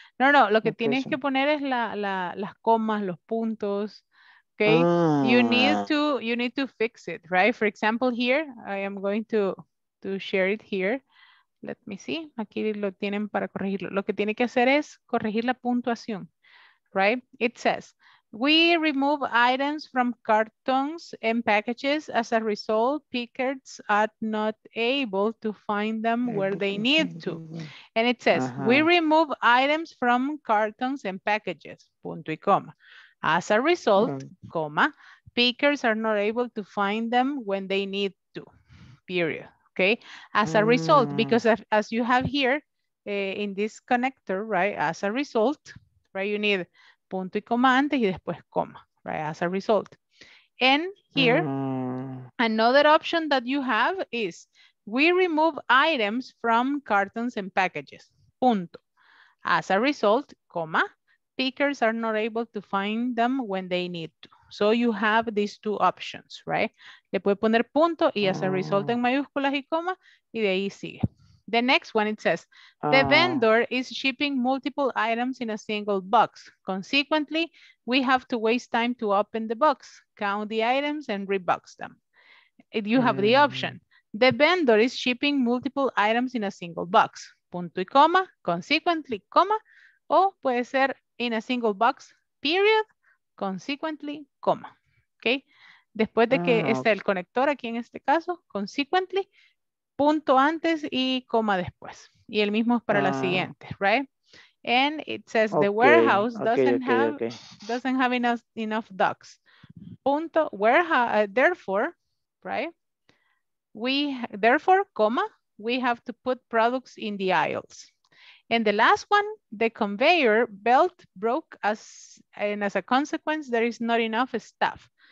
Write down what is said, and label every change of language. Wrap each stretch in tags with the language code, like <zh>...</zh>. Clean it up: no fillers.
<es>No, lo que tienes que poner es las comas, los puntos.</es> <en>Okay. You need to fix it, right? For example, here, I am going to share it here. Let me see.</en> <es>Aquí lo tienen para corregirlo. Lo que tiene que hacer es corregir la puntuación.</es> <en>Right? It says, we remove items from cartons and packages. As a result, pickers are not able to find them where they need to. And it says, uh-huh. We remove items from cartons and packages,</en> <es>punto y coma.</es> <en>As a result, comma, pickers are not able to find them when they need to, period. Okay? As a result, because as you have here in this connector, right? As a result, right, you need</en> <es>punto y coma antes y después coma,</es> <en>right, as a result. And here, another option that you have is, we remove items from cartons and packages,</en> <es>punto.</es> <en>As a result, coma, pickers are not able to find them when they need to. So you have these two options, right?</en> <es>Le puede poner punto y</es> <en>as a result</en> <es>en mayúsculas y coma, y de ahí sigue.</es> <en>The next one, it says, the vendor is shipping multiple items in a single box. Consequently, we have to waste time to open the box, count the items, and rebox them. You have the option. The vendor is shipping multiple items in a single box.</en> <es>Punto y coma, consequently, coma, o puede ser</es> <en>in a single box, period,</en> <es>consequently, coma. Okay? Después de que está el conector aquí en este caso, consequently, punto antes y coma después. Y el mismo es para la siguiente, right?</es> <en>And it says the warehouse doesn't have enough docks.</en> <es>Punto,</es> <en>warehouse, therefore, right? Therefore, coma, we have to put products in the aisles. And the last one, the conveyor belt broke as a consequence, there is not enough staff.</en>